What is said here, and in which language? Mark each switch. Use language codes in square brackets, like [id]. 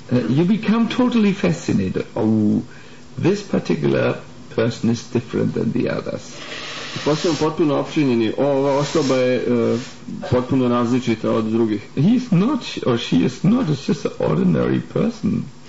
[en] You become totally fascinated. Oh, this particular person is different than the others. [sr] Postajem potpuno opčinjeni. Ova osoba je potpuno različita od drugih. [en] He's not, or she is not, it's just an ordinary person.